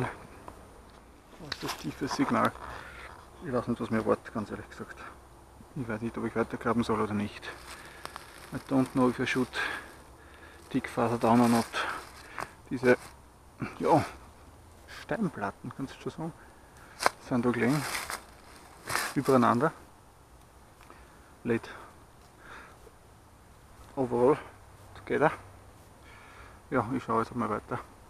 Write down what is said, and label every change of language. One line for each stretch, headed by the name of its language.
German: Was ist das tiefes Signal? Ich weiß nicht, was mir erwartet, ganz ehrlich gesagt. Ich weiß nicht, ob ich weitergraben soll oder nicht.
English: I don't know if I should dig further down or not.
German: Diese, ja, Steinplatten, kannst du schon sagen, sind da gelegen. Übereinander.
English: Late. Overall. Together.
German: Ja, ich schaue jetzt mal weiter.